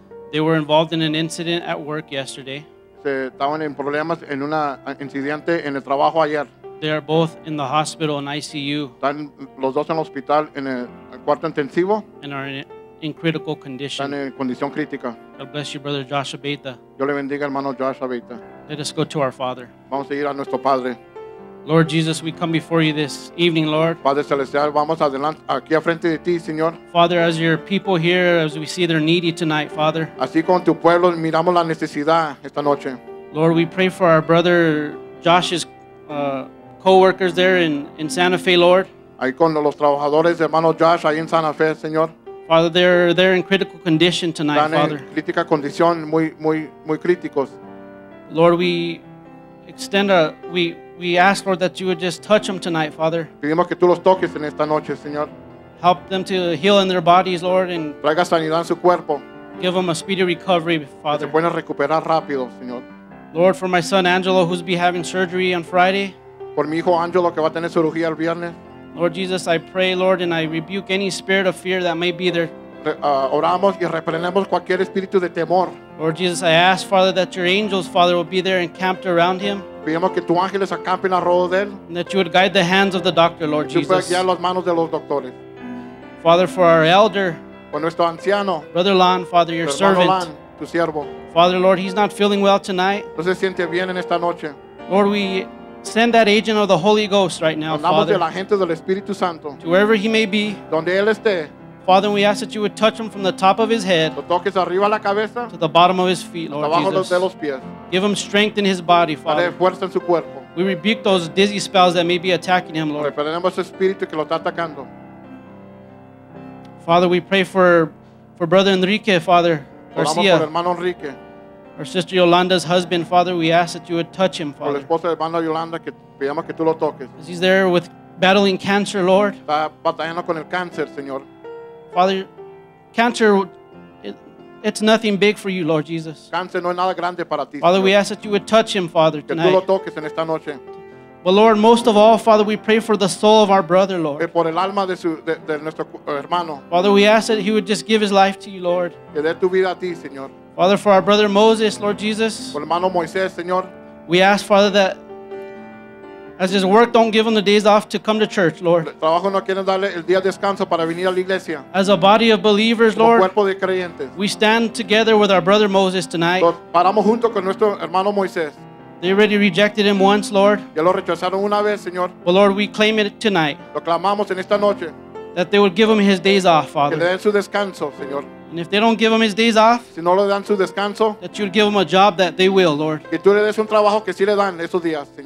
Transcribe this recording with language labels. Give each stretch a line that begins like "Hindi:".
English: They were involved in an incident at work yesterday.
Spanish: Se estaban en problemas en un incidente en el trabajo ayer.
English: They are both in the hospital in ICU.
Spanish: Están los dos en el hospital en el cuarto intensivo.
English: And are in critical condition.
Spanish: Están en condición crítica.
English: God bless you, Brother Josh Abeta.
Spanish: Dios le bendiga, hermano Josh Abeta.
English: Let us go to our Father.
Spanish: Vamos a ir a nuestro Padre.
English: Lord Jesus, we come before you this evening, Lord.
Spanish: Padre celestial, vamos adelante aquí a frente de ti, Señor.
English: Father, as your people here, as we see they're needy tonight, Father.
Spanish: Así con tu pueblo miramos la necesidad esta noche.
English: Lord, we pray for our brother Josh's co-workers there in Santa Fe, Lord.
Spanish: Ahí con los trabajadores de hermano Josh ahí en Santa Fe, Señor.
English: Father, they're in critical condition tonight,
Spanish: están en
English: Father.
Spanish: Crítica condición, muy muy muy críticos.
English: Lord, we extend we ask, Lord, that you would just touch them tonight, Father.
Spanish: Pedimos que tú los toques en esta noche, Señor.
English: Help them to heal in their bodies, Lord, and
Spanish: traiga sanidad en su cuerpo.
English: Give them a speedy recovery, Father.
Spanish: Que se puedan recuperar rápido, Señor.
English: Lord, for my son Angelo, who's be having surgery on Friday.
Spanish: Por mi hijo Angelo, que va a tener cirugía el viernes.
English: Lord Jesus, I pray, Lord, and I rebuke any spirit of fear that may be there.
Spanish: Oramos y reprendemos cualquier espíritu de temor.
English: Lord Jesus, I ask, Father, that your angels, Father, will be there encamped around him.
Spanish: Pedimos que tu ángeles acampen alrededor de él.
English: And that you would guide the hands of the doctor, Lord Jesus.
Spanish: Y tú puedes guiar las manos de los doctores.
English: Father, for our elder.
Spanish: Por nuestro anciano.
English: Brother Lan, Father, your servant.
Spanish: Lan, tu siervo.
English: Father, Lord, he's not feeling well tonight.
Spanish: No se siente bien en esta noche.
English: Lord, we send that agent of the Holy Ghost right now, Father.
Spanish: De la gente del Espíritu Santo,
English: to wherever he may be.
Spanish: Donde él esté,
English: Father, we ask that you would touch him from the top of his head.
Spanish: Lo toques arriba la cabeza,
English: to the bottom of his feet, Lord
Spanish: abajo
English: Jesus.
Spanish: De los pies.
English: Give him strength in his body, Father.
Spanish: Dale fuerza en su cuerpo.
English: We rebuke those dizzy spells that may be attacking him, Lord.
Spanish: Reprendemos ese espíritu que lo está atacando.
English: Father, we pray for Brother Enrique, Father. Garcia.
Spanish: Oramos por hermano Enrique.
English: Our sister Yolanda's husband, Father, we ask that you would touch him, Father.
Spanish: Por la esposa de hermano Yolanda, que pedimos que tú lo toques.
English: As he's there with battling cancer, Lord.
Spanish: Está batallando con el cáncer, Señor.
English: Father, cancer, it's nothing big for you, Lord Jesus.
Spanish: Cáncer no es nada grande para ti,
English: Father,
Spanish: Señor.
English: We ask that you would touch him, Father, tonight.
Spanish: Que tú lo toques en esta noche.
English: But Lord, most of all, Father, we pray for the soul of our brother, Lord.
Spanish: Por el alma de nuestro hermano.
English: Father, we ask that he would just give his life to you, Lord.
Spanish: Que dé tu vida a ti, Señor.
English: Father, for our brother Moses, Lord Jesus.
Spanish: Por hermano Moisés, Señor.
English: We ask, Father, that as his work, don't give him the days off to come to church, Lord.
Spanish: Trabajo no quieren darle el día de descanso para venir a la iglesia.
English: As a body of believers,
Spanish: como
English: Lord,
Spanish: cuerpo de creyentes.
English: We stand together with our brother Moses tonight.
Spanish: Paramos junto con nuestro hermano Moisés.
English: They already rejected him once, Lord.
Spanish: Ya lo rechazaron una vez, Señor.
English: But Lord, we claim it tonight.
Spanish: Lo clamamos en esta noche.
English: That they will give him his days off, Father.
Spanish: Que le den su descanso, Señor.
English: And if they don't give him his days off,
Spanish: si no le dan su descanso,
English: that you'll give him a job that they will, Lord.
Spanish: Que tú le des un trabajo que sí le dan esos días, Señor.